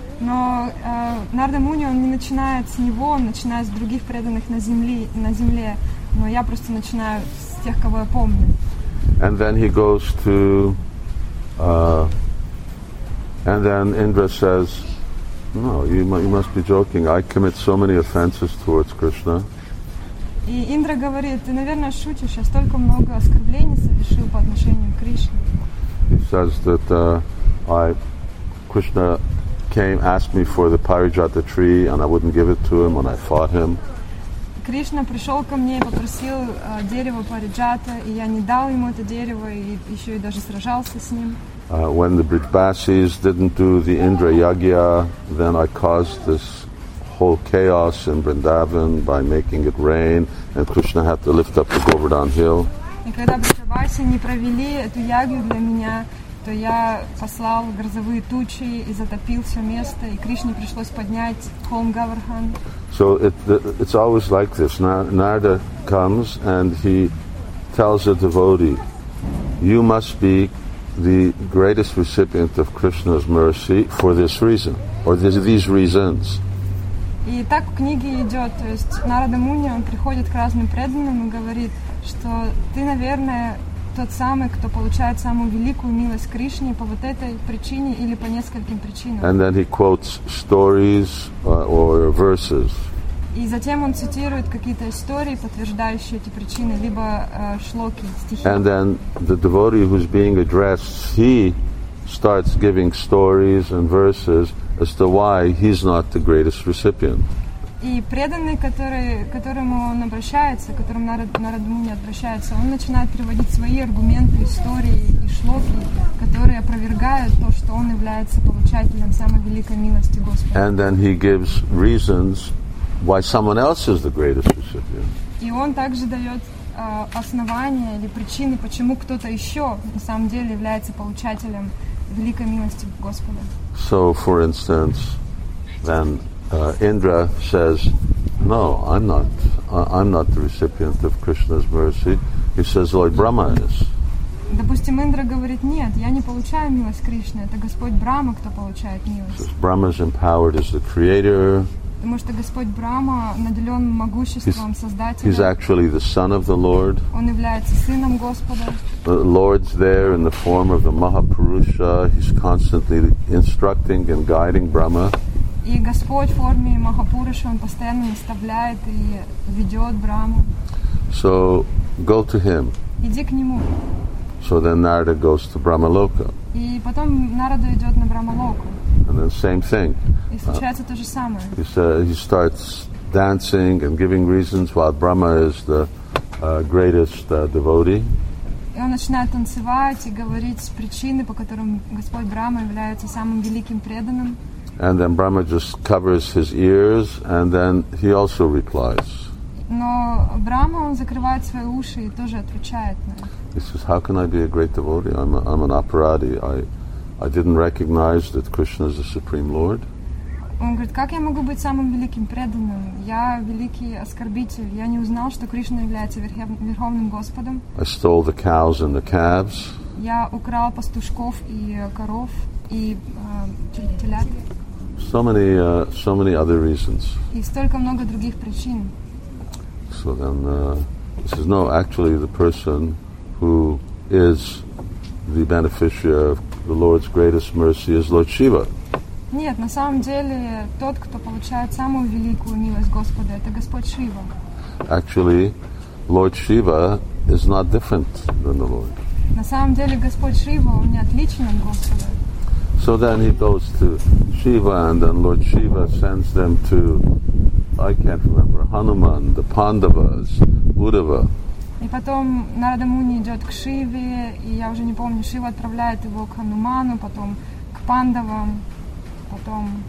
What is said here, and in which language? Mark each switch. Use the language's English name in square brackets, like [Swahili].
[Russian] Но Нарда Муни, он не начинает с него, он начинает с других преданных на земле, но я просто начинаю с тех, кого я помню. [English] And then he goes to and then Indra says, no, you must be joking. I commit so many offenses towards Krishna. [Russian] И Индра говорит: ты, наверное, шутишь, я столько много оскорблений совершил по отношению к Кришне. [English] He says that Krishna came, asked me for the Parijata tree, and I wouldn't give it to him, and I fought him. [Russian] Krishna пришел ко мне и попросил дерево Парижата, и я не дал ему это дерево, и еще и даже сражался с ним. [English] When the Brijbasis didn't do the Indra Yagya, then I caused this whole chaos in Vrindavan by making it rain, and Krishna had to lift up the Govardhan hill. [Russian] И когда Брижбаси не провели эту ягью для меня, то я послал грозовые тучи и затопил все место, и Кришне пришлось поднять холм Говардхан. [English] So it's always like this. Narada comes and he tells a devotee, you must be the greatest recipient of Krishna's mercy for this reason, or these reasons. [Russian] И так в книге идет, то есть Нарада Муни, он приходит к разным преданным и говорит, что ты, наверное, тот самый, кто получает самую великую милость Кришне по вот этой причине или по нескольким причинам. [English] And then he quotes stories or verses. [Russian] И затем он цитирует какие-то истории, подтверждающие эти причины, либо шлоки, стихи. [English] And then the devotee who's being addressed, he starts giving stories and verses as to why he's not the greatest recipient. [Russian] И преданный, которому он обращается, к которому Нарада Муни обращается, он начинает приводить свои аргументы, истории и шлоки, которые опровергают то, что он является получателем самой великой милости Господа. [English] And then he gives reasons why someone else is the greatest recipient. [Russian] И он также дает основания или причины, почему кто-то еще на самом деле является получателем великой милости Господа. [English] So, for instance, then Indra says, no, I'm not the recipient of Krishna's mercy. He says, Lord Brahma is. [Russian] Допустим, Индра говорит, нет, я не получаю милость Кришны, это Господь Брама, кто получает милость. [English] Brahma is empowered as the creator. [Russian] Потому что Господь Брама наделен могуществом Создателя. [English] He's actually the son of the Lord. [Russian] Он является сыном Господа. [English] The Lord's there in the form of the Mahapurusha. He's constantly instructing and guiding Brahma. [Russian] И Господь в форме Махапуруши, он постоянно наставляет и ведет Браму. [English] So, go to him. [Russian] Иди к нему. [English] So then Narada goes to Brahmaloka. [Russian] И потом Нарада идет на Брахмалоку. [English] And then same thing. [Russian] И случается то же самое. [English] He starts dancing and giving reasons why Brahma is the greatest devotee. [Russian] И он начинает танцевать и говорить причины, по которым Господь Брама является самым великим преданным. [English] And then Brahma just covers his ears, and then he also replies. [Russian] Но Брама, он закрывает свои уши и тоже отвечает на. [English] He says, "How can I be a great devotee? I'm an aparadi. I didn't recognize that Krishna is the supreme Lord." [Russian] Он говорит, как я могу быть самым великим преданным? Я великий оскорбитель. Я не узнал, что Кришна является верховным Господом. [English] I stole the cows and the calves. [Russian] Я украл пастушков и коров. [English] So many other reasons. [Russian] И столько много других причин. [English] So then he says, no, actually the person who is the beneficiary of the Lord's greatest mercy is Lord Shiva. [Russian] Нет, на самом деле тот, кто получает самую великую милость Господа, это Господь Шива. [English] Actually, Lord Shiva is not different than the Lord. [Russian] На самом деле Господь Шива, он не отличен от Господа. [English] So then he goes to Shiva, and then Lord Shiva sends them to, I can't remember, Hanuman, the Pandavas, Uddhava. [Russian] И потом Нарада Муни идет к Шиве, и я уже не помню, Шива отправляет его к Хануману, потом к Пандавам, потом...